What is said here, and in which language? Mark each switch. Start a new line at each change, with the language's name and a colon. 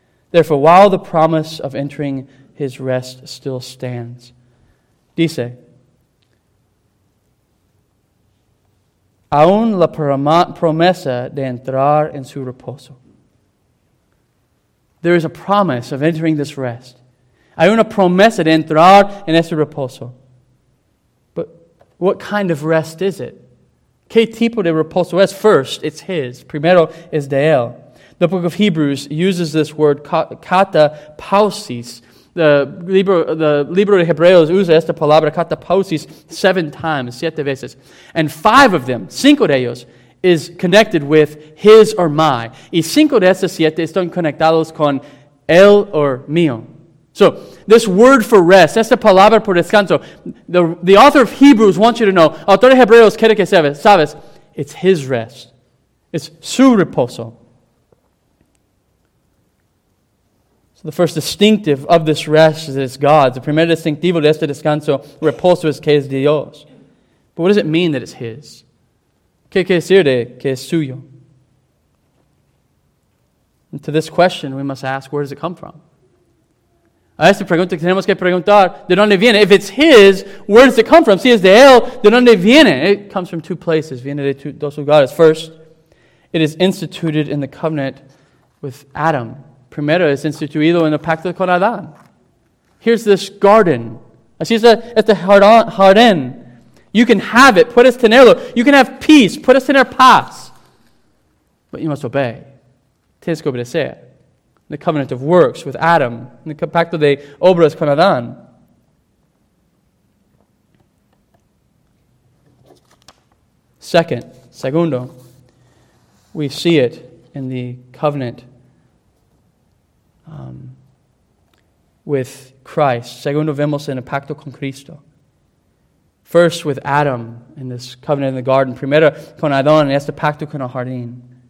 English: Therefore, while the promise of entering his rest still stands,
Spanish: dice, aún la promesa de entrar en su reposo.
English: There is a promise of entering this rest.
Spanish: Hay una promesa de entrar en este reposo.
English: But what kind of rest is it?
Spanish: ¿Qué tipo de reposo es?
English: First, it's his.
Spanish: Primero, es de él.
English: The book of Hebrews uses this word, katapausis.
Spanish: The libro de Hebreos usa esta palabra, katapausis,
English: 7 times,
Spanish: 7 veces.
English: And 5 of them,
Spanish: 5 de ellos,
English: is connected with his or my.
Spanish: Y 5 de esas 7 están conectados con él or mío.
English: So, this word for rest,
Spanish: esta palabra por descanso,
English: the author of Hebrews wants you to know,
Spanish: autor de Hebreos quiere que sabes,
English: it's his rest.
Spanish: It's su reposo.
English: So the first distinctive of this rest is that it's God's. The
Spanish: primer distintivo de este descanso, reposo, es que es Dios.
English: But what does it mean that it's his?
Spanish: ¿Qué quiere decir de que es suyo?
English: And to this question, we must ask, where does it come from?
Spanish: A esta pregunta tenemos que preguntar, ¿de dónde viene?
English: If it's his, where does it come from?
Spanish: Si es de él, ¿de dónde viene?
English: It comes from 2 places.
Spanish: Viene de dos lugares.
English: First, it is instituted in the covenant with Adam.
Spanish: Primero, es instituido en el pacto con Adán.
English: Here's this garden.
Spanish: Así es este jardín.
English: You can have it.
Spanish: Puedes tenerlo.
English: You can have peace.
Spanish: Puedes tener paz.
English: But you must obey.
Spanish: Tienes que obedecer.
English: The covenant of works with Adam. The
Spanish: pacto de obras con Adán.
English: Segundo, we see it in the covenant with Christ.
Spanish: Segundo, vemos en el pacto con Cristo.
English: First, with Adam in this covenant in the garden.
Spanish: Primero, con Adán en este pacto con el jardín.